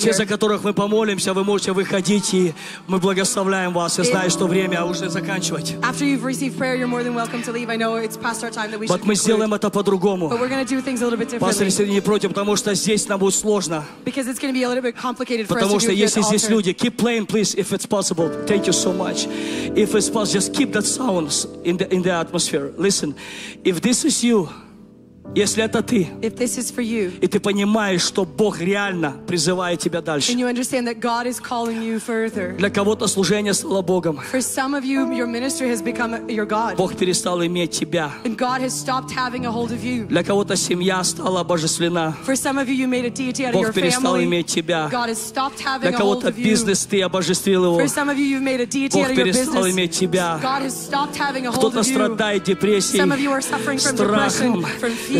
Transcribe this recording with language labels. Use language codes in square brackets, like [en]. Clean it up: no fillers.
[ru] Те, за которых мы помолимся, вы можете выходить, и мы благословляем вас. Я знаю, что время уже заканчивать. [en] After you've received prayer, you're more than welcome to leave. I know it's past our time that we should. [ru] But мы сделаем это по-другому. [en] But we're gonna do things a little bit differently. [ru] Пастор, если не против, потому что здесь нам будет сложно. [en] Because it's gonna be a little bit complicated for [ru] потому [en] us to do [ru] если здесь [en] altar. Люди, keep playing, please, if it's possible. Thank you so much. If it's possible, just keep that sound in the atmosphere. Listen, if this is you. [ru] Если это ты, [en] if this is for you, [ru] и ты понимаешь, что Бог реально призывает тебя дальше, [en] and you understand that God is calling you further. [ru] Для кого-то служение стало Богом. [en] For some of you, your ministry has become your God. [ru] Бог перестал иметь тебя. [en] And God has stopped having a hold of you. [ru] Для кого-то семья стала божественна. [en] For some of you, you made a deity out of your [ru] family. Бог перестал иметь тебя. [en] God has stopped having a hold of you. [ru] Для кого-то бизнес ты обожествил его. [en] For some of you, you've made a deity out of your business. [ru] Бог перестал иметь тебя. [en] God has stopped having a hold of [ru] you. Кто-то страдает депрессией, [en] some of you are suffering from depression, from fear.